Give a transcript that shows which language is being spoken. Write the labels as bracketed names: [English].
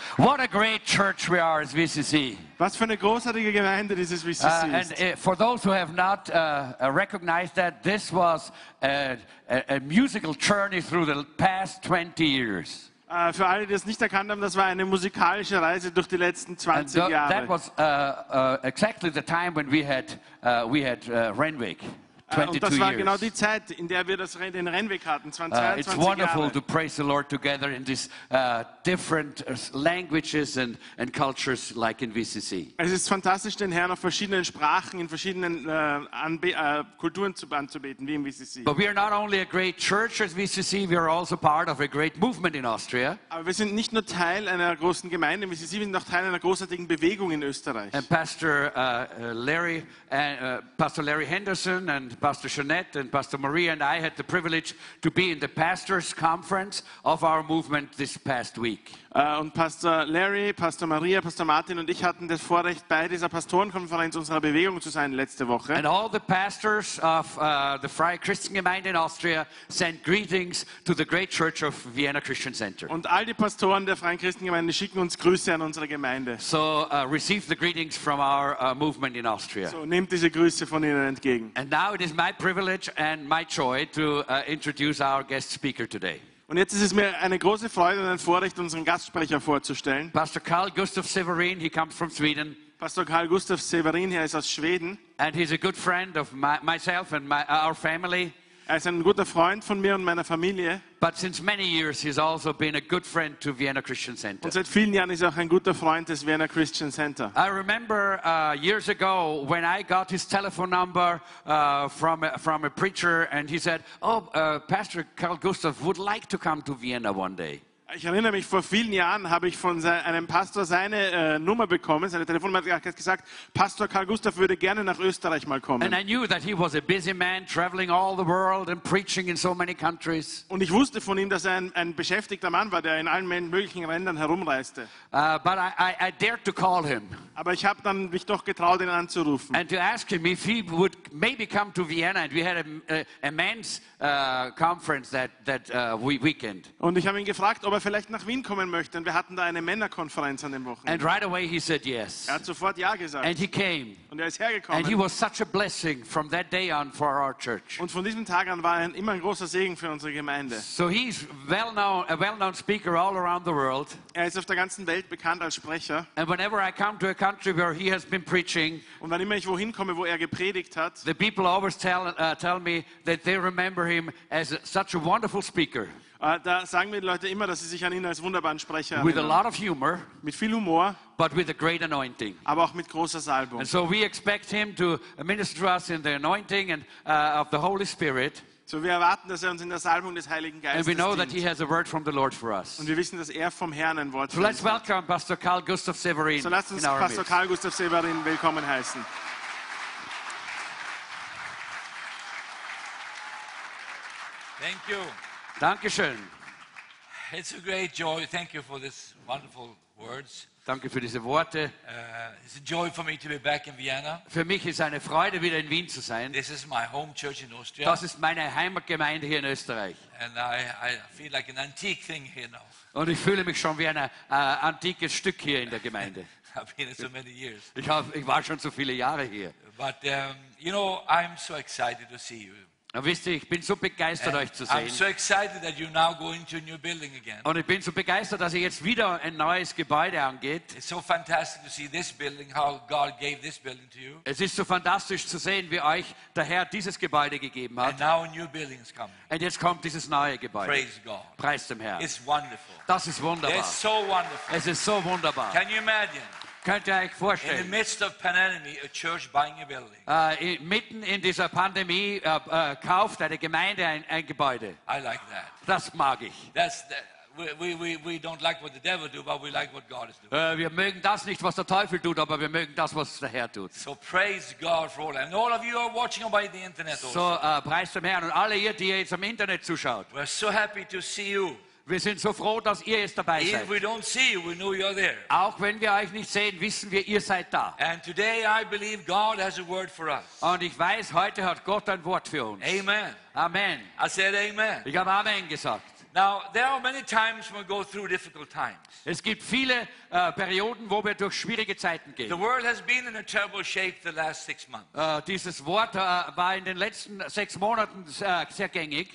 [English] What a great church we are as VCC. [German] Was für eine großartige Gemeinde dieses VCC ist. [English] And for those who have not recognized that, this was a musical journey through the past 20 years. [German] Für alle, die es nicht erkannt haben, das war eine musikalische Reise durch die letzten 20 Jahre. [English] That was exactly the time when we had Renwick. [German] Und das war genau die Zeit, in der wir das den Rennweg hatten, 22 Jahre. [English] It's wonderful to praise the Lord together in these different languages and cultures like in VCC. [German] Es ist fantastisch, den Herrn auf verschiedenen Sprachen, in verschiedenen Kulturen anzubeten, wie im VCC. [English] But we are not only a great church as VCC, we are also part of a great movement in Austria. [German] Aber wir sind nicht nur Teil einer großen Gemeinde im VCC, wir sind auch Teil einer großartigen Bewegung in Österreich. [English] And Pastor Larry Henderson and Pastor Jeanette and Pastor Maria and I had the privilege to be in the pastors' conference of our movement this past week. [German] Und Pastor Larry, Pastor Maria, Pastor Martin und ich hatten das Vorrecht, bei dieser Pastorenkonferenz unserer Bewegung zu sein letzte Woche. [English] And all the pastors of the Freie Christengemeinde in Austria sent greetings to the great church of Vienna Christian Center. [German] Und all die Pastoren der Freien Christengemeinde schicken uns Grüße an unsere Gemeinde. [English] So receive the greetings from our movement in Austria. [German] So nehmt diese Grüße von ihnen entgegen. [English] And now it is my privilege and my joy to introduce our guest speaker today. [German] Und jetzt ist es mir eine große Freude und ein Vorrecht, unseren Gastsprecher vorzustellen. [English] Pastor Carl Gustav Severin, he comes from Sweden. [German] Pastor Carl Gustav Severin, er ist aus Schweden. [English] And he's a good friend of myself and our family. [German] Er ist ein guter Freund von mir und meiner Familie. [English] But since many years he's also been a good friend to Vienna Christian Center. [German] Und seit vielen Jahren ist er auch ein guter Freund des Vienna Christian Center. [English] I remember years ago when I got his telephone number from a preacher and he said, Pastor Carl Gustav would like to come to Vienna one day. [German] Ich erinnere mich, vor vielen Jahren habe ich von einem Pastor seine Nummer bekommen, seine Telefonnummer, hat gesagt, Pastor Carl Gustav würde gerne nach Österreich mal kommen. [English] And I knew that he was a busy man, traveling all the world and preaching in so many countries. [German] Und ich wusste von ihm, dass er ein beschäftigter Mann war, der in allen möglichen Ländern herumreiste. [English] But I dared to call him. [German] Aber ich habe dann mich doch getraut, ihn anzurufen. [English] And to ask him if he would maybe come to Vienna, and we had an immense conference that weekend. [German] Und ich habe ihn gefragt, ob er vielleicht nach Wien kommen möchte, und wir hatten da eine Männerkonferenz an dem Wochenende. [English] And right away he said yes. [German] Er hat sofort ja gesagt. [English] And he came. [German] Und er ist hergekommen. [English] And he was such a blessing from that day on for our church. [German] Und von diesem Tag an war er immer ein großer Segen für unsere Gemeinde. [English] So he's a well-known speaker all around the world. [German] Er ist auf der ganzen Welt bekannt als Sprecher. [English] And whenever I come to a country where he has been preaching, [German] und wann immer ich wohin komme, wo er gepredigt hat, [English] the people always tell me that they remember him as such a wonderful speaker. [German] Da sagen mir die Leute immer, dass sie sich an ihn als wunderbaren Sprecher erinnern. [English] With a lot of humor, [German] mit viel Humor, [English] but with a great anointing. [German] Aber auch mit großer Salbung. [English] And so we expect him to minister to us in the anointing and of the Holy Spirit. [German] So wir erwarten, dass er uns in der Salbung des Heiligen Geistes dient. [English] And we know [German] dient. [English] That he has a word from the Lord for us. [German] Und wir wissen, dass er vom Herrn ein Wort [English] so let's welcome [German] hat. [English] Pastor Carl Gustav Severin. [German] So lasst uns [English] in our [German] Pastor Carl Gustav Severin willkommen heißen. [English] Thank you. [German] Dankeschön. [English] It's a great joy. Thank you for these wonderful words. [German] Danke für diese Worte. [English] It's a joy for me to be back in Vienna. [German] Für mich ist eine Freude, wieder in Wien zu sein. [English] This is my home church in Austria. [German] Das ist meine Heimatgemeinde hier in Österreich. [English] And I feel like an antique thing here now. [German] Und ich fühle mich schon wie ein antikes Stück hier in der Gemeinde. [English] I've been here so many years. [German] Ich war schon so viele Jahre hier. [English] But you know, I'm so excited to see you. [German] Wisst ihr, ich bin so begeistert, euch zu sehen. [English] I'm so excited that you now go into a new building again. [German] Und ich bin so begeistert, dass ihr jetzt wieder ein neues Gebäude angeht. [English] It's so fantastic to see this building, how God gave this building to you. [German] Es ist so fantastisch zu sehen, wie euch der Herr dieses Gebäude gegeben hat. [English] And now a new building is coming. [German] Und jetzt kommt dieses neue Gebäude. [English] Praise God. [German] Preis dem Herrn. [English] It's wonderful. [German] Das ist wunderbar. [English] It's so wonderful. [German] Es ist so wunderbar. [English] Can you imagine? [German] Könnt ihr euch vorstellen? [English] In the midst of pandemic, a church buying a building. [German] Mitten in dieser Pandemie kauft eine Gemeinde ein Gebäude. [English] I like that. [German] Das mag ich. [English] That's we don't like what the devil do, but we like what God is doing. [German] Wir mögen das nicht, was der Teufel tut, aber wir mögen das, was der Herr tut. [English] So praise God for all, and all of you are watching by the internet. [German] So preist dem Herrn und alle ihr, die jetzt am Internet zuschaut. [English] We're so happy to see you. [German] Wir sind so froh, dass ihr jetzt dabei seid. [English] If we don't see you, we know you're there. [German] Auch wenn wir euch nicht sehen, wissen wir, ihr seid da. [English] And today I believe God has a word for us. [German] Und ich weiß, heute hat Gott ein Wort für uns. [English] Amen. [German] Amen. [English] I said amen. [German] Ich habe Amen gesagt. [English] Now there are many times when we go through difficult times. [German] Es gibt viele Perioden, wo wir durch schwierige Zeiten gehen. [English] The world has been in a terrible shape the last 6 months. [German] Dieses Wort war in den letzten 6 Monaten sehr gängig.